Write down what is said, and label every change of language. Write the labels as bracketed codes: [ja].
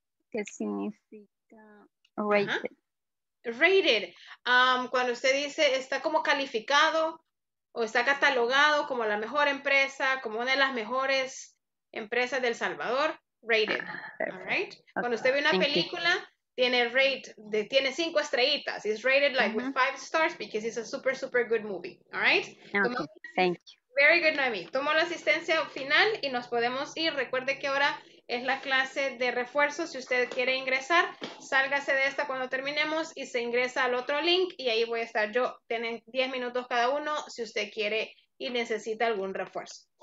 [es] ¿Qué significa rated? [en] Rated. [es] Cuando usted dice está como calificado o está catalogado como la mejor empresa, como una de las mejores empresas del Salvador, rated. All right. Okay. Cuando usted ve una película... tiene rate, de, tiene 5 estrellitas. [en] It's rated like with 5 stars because it's a super, super good movie. All right? Okay. Thank you. Very good, Noemi. [es] Tomo la asistencia final y nos podemos ir. Recuerde que ahora es la clase de refuerzo. Si usted quiere ingresar, sálgase de esta cuando terminemos y se ingresa al otro link y ahí voy a estar yo. Tienen 10 minutos cada uno si usted quiere y necesita algún refuerzo.